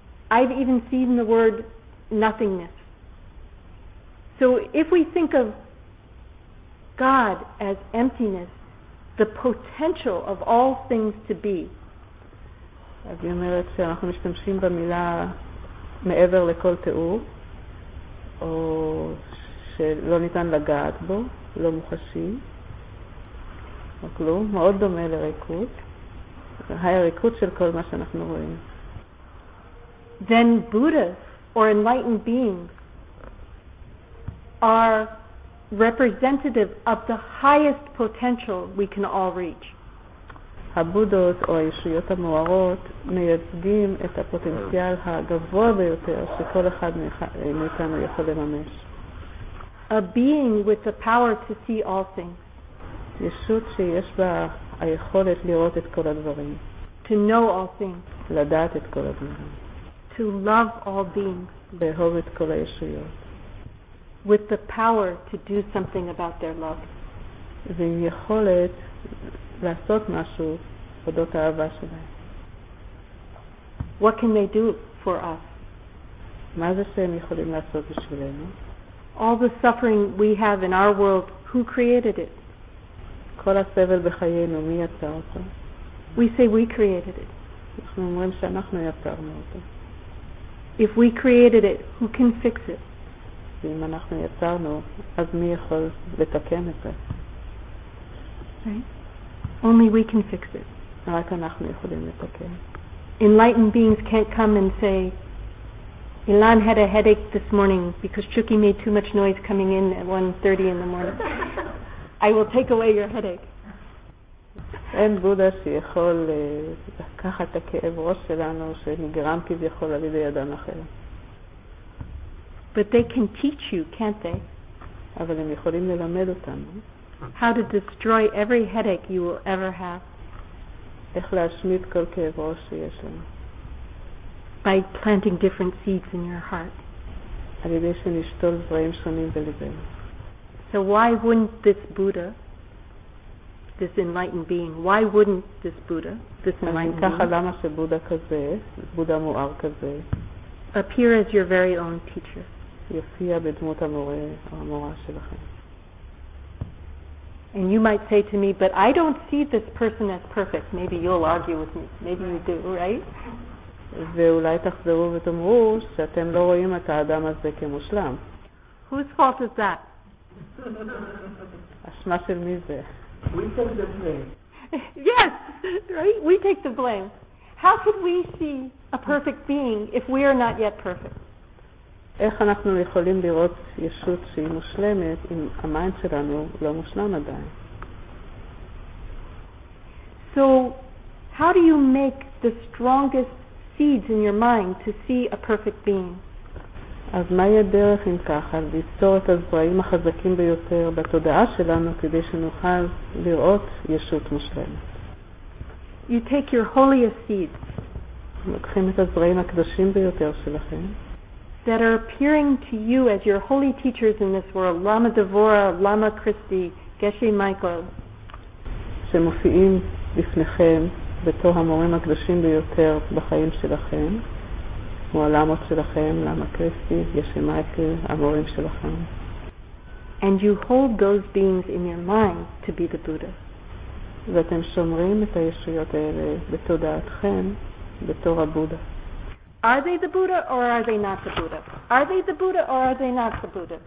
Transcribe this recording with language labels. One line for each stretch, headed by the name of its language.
English: I've even seen the word nothingness. So if we think of God as emptiness, the potential of all things to be,
Hebrew: אז היא אומרת שאנחנו משתמשים במילה מעבר לכל תיאור, או שלא ניתן לגעת בו, לא מוחשי, או כלום, מאוד דומה לריקות, הריקות של כל מה שאנחנו רואים.
English: Then Buddhas, or enlightened beings, are representative of the highest potential we can all reach.
Hebrew: הבודות או הישויות המוארות מייצגים את הפוטנציאל הגבוה ביותר שכל אחד מאיתנו יכול לממש.
English: a being with the power to see all things.
Hebrew: ישות שיש בה היכולת לראות את כל הדברים.
English: To know all things.
Hebrew: לדעת את כל הדברים.
English: To love all beings.
Hebrew: לאהוב את כל הישויות.
English: With the power to do something about their love.
Hebrew: ועם יכולת לעשות משהו אודות האהבה שלהם.
English: What can they do for us?
Hebrew: מה זה שהם יכולים לעשות בשבילנו?
English: All the suffering we have in our world, who created it?
Hebrew: כל הסבל בחיינו, מי יצר אותו?
English: We say we created it.
Hebrew: אנחנו אומרים שאנחנו יצרנו אותו.
English: If we created it, who can fix it?
Hebrew: אם אנחנו יצרנו, אז מי יכול לתקן את זה?
English: Right? Only we can fix it.
Hebrew: רק אנחנו יכולים לתקן.
English: Enlightened beings can't come and say, Ilan had a headache this morning because Chuki made too much noise coming in at 1:30 in the morning. I will take away your headache.
Hebrew: אין בודה שיכול לקחת את הכאב ראש שלנו שנגרם כביכול על ידי אדם אחר.
English: But they can teach you, can't they?
Hebrew: אבל הם יכולים ללמד אותנו.
English: How to destroy every headache you will ever have.
Hebrew: איך להשמיד כל כאב ראש שיש לנו.
English: By planting different seeds in your heart.
Hebrew: על ידי שנשתול דברים שונים בלבנו.
English: So why wouldn't this Buddha, this enlightened being, why wouldn't this Buddha, this enlightened being,
Hebrew: למה שבודה כזה, בודה מואר כזה,
English: appear as your very own teacher?
Hebrew: יופיע בדמות המורה, המורה שלכם.
English: And you might say to me, but I don't see this person as perfect. Maybe you'll argue with me. Maybe you do, right?
Hebrew: ואולי תחזרו ותאמרו שאתם לא רואים את האדם הזה כמושלם.
English: Whose fault is that?
Hebrew: אשמה של מי זה?
English: We take the blame. Yes, right? We take the blame. How could we see a perfect being if we are not yet perfect?
Hebrew: איך אנחנו יכולים לראות ישות שהיא מושלמת אם המיין שלנו לא מושלם עדיין?
English: So, how do you make the strongest seeds in your mind to see a perfect being?
Hebrew: אז מהי הדרך אם ככה ליצור את הזרעים החזקים ביותר בתודעה שלנו כדי שנוכל לראות ישות מושלמת?
English: You take your holiest seeds.
Hebrew: לוקחים את הזרעים הקדושים ביותר שלכם.
English: That are appearing to you as your holy teachers in this world, Lama Devora, Lama Christi, Geshe Michael.
Hebrew: שמופיעים בפניכם בתור המורים הקדושים ביותר בחיים שלכם. כמו הלמות שלכם, למה קריסטי, ישי מייקל, המורים שלכם.
English: And you hold those beings in your mind to be the Buddha.
Hebrew: ואתם שומרים את הישויות האלה בתודעתכם, בתור הבודה.
English: Are they the Buddha or are they not the Buddha? Are they the Buddha or are they not the Buddha?